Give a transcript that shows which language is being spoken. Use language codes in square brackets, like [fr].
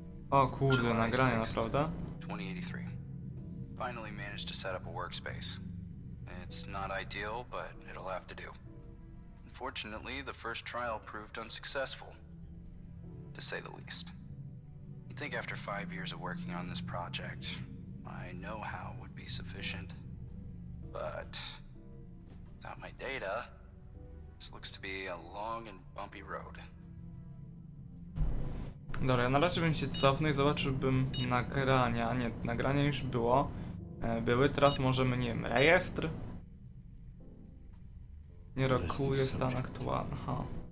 [pl] O kurde, nagrania naprawdę. [en] 2083. Finally managed to set up a workspace. It's not ideal, but it'll have to do. Unfortunately, the first trial proved unsuccessful, to say the least. You think after 5 years of working on this project, my know-how would be sufficient, but without my data, this looks to be a long and bumpy road. [pl] Dobra, ja na razie bym się cofnął i zobaczyłbym nagrania. Nie, nagrania już było. Były, teraz możemy, nie wiem, rejestr? Nie rokuje stan aktualny, ha.